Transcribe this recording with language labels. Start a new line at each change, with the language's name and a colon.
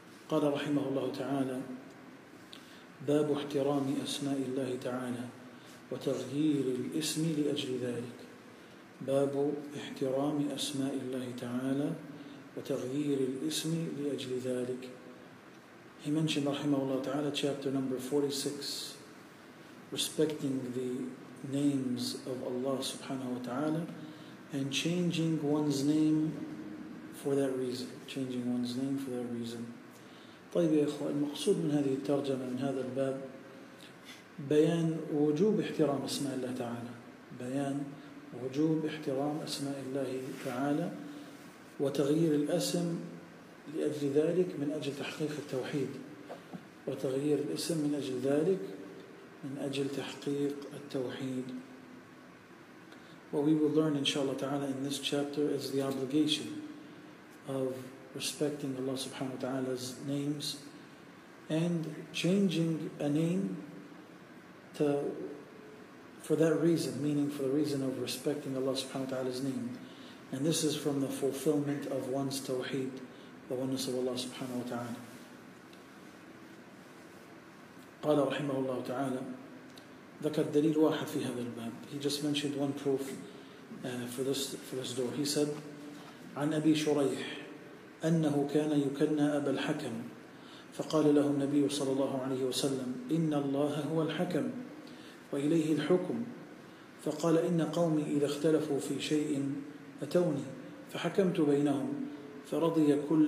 Arabic: قَالَ رَحِمَهُ اللَّهُ تَعَالَى بَابُ احْتِرَامِ أَسْمَاءِ اللَّهِ تَعَالَى وتغيير الاسم لأجل ذلك. باب احترام أسماء الله تعالى وتغيير الاسم لأجل ذلك.
English: He mentioned,
Arabic: رحمه الله تعالى,
English: chapter number 46, respecting the names of Allah subhanahu wa ta'ala and changing one's name for that reason. Changing one's name for that reason.
Arabic: طيب يا إخوة، المقصود من هذه الترجمة، من هذا الباب، بيان وجوب احترام أسماء الله تعالى، بيان وجوب احترام أسماء الله تعالى وتغيير الاسم لأجل ذلك، من أجل تحقيق التوحيد، وتغيير الاسم من أجل ذلك، من أجل تحقيق التوحيد.
English: What we will learn inshallah ta'ala in this chapter is the obligation of respecting Allah subhanahu wa ta'ala's names and changing a name for that reason, meaning for the reason of respecting Allah subhanahu wa ta'ala's name. And this is from the fulfillment of one's tawheed, the oneness of Allah subhanahu wa ta'ala.
Arabic: قال رحمه الله تعالى ذكر دليل واحد في هذا الباب.
English: He just mentioned one proof for this door. He said,
Arabic: عن أبي شريح أنه كان يكنى أبا الحكم فقال له النبي صلى الله عليه وسلم إن الله هو الحكم وإليه الحكم، فقال إن قومي إذا اختلفوا في شيء أتوني فحكمت بينهم فرضي